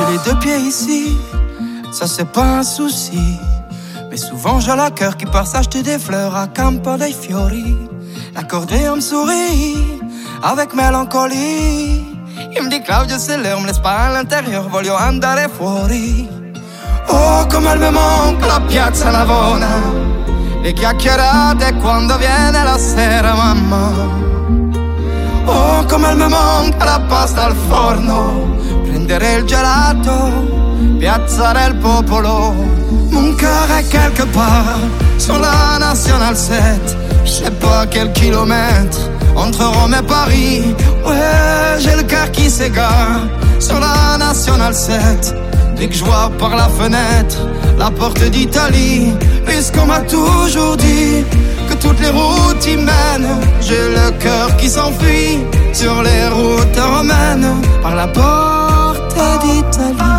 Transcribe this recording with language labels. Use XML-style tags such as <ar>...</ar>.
<fr>aimer ici, ça c'est pas un souci. Mais souvent j'ai le cœur qui part s'acheter des fleurs à Campo dei Fiori. L'accordéon me sourit avec mélancolie. Il me dit Claudio c'est l'heure, me laisse pas à l'intérieur,</fr> <it>voglio andare fuori. Oh, come me manca la piazza Navona, le chiacchierate quando viene la sera, mamma. Oh, come me manca la pasta al forno, prendere il gelato, piazzare il popolo.</it> <fr>Mon cœur est quelque part sur la National 7, je sais pas quel kilomètre entre Rome et Paris. Ouais, j'ai le cœur qui s'égare sur la National 7. Dès que je vois par la fenêtre la porte d'Italie, puisqu'on m'a toujours dit que toutes les routes y mènent, j'ai le cœur qui s'enfuit sur les routes romaines par la porte d'Italie.</fr>